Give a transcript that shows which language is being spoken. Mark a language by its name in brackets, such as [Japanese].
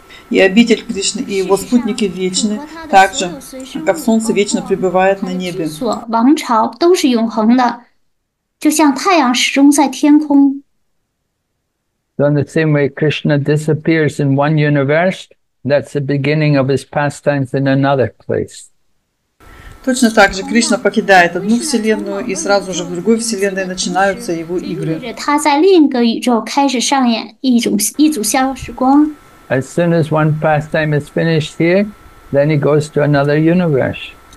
[Russian] И обитель Кришны, и его спутники вечны, так же, как солнце вечно пребывает на небе. [English] So in the same way, Krishna disappears in one universe, that's the beginning of his pastimes in another place. [Russian] Точно так же Кришна покидает одну вселенную, и сразу же в другой вселенной начинаются его игры. [English] As soon as one pastime is finished here, then he goes to another universe.